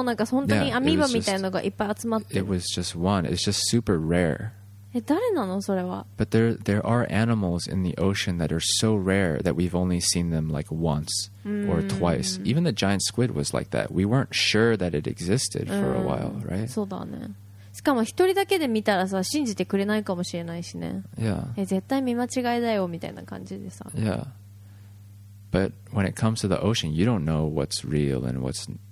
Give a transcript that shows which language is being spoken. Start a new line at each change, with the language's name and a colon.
English: It was just one. It's just super rare. But there are animals in the ocean that are so rare that we've only seen them like once or twice. Even the giant squid was like that. We weren't sure that it existed for a while, right?
Japanese: そうだね。しかも一人だけで見たらさ、信じてくれないかもしれないしね。
English: Yeah.
Japanese: 絶対見間違いだよみたいな感じでさ。
English: Yeah. But when it comes to the ocean, you don't know what's real and what's not.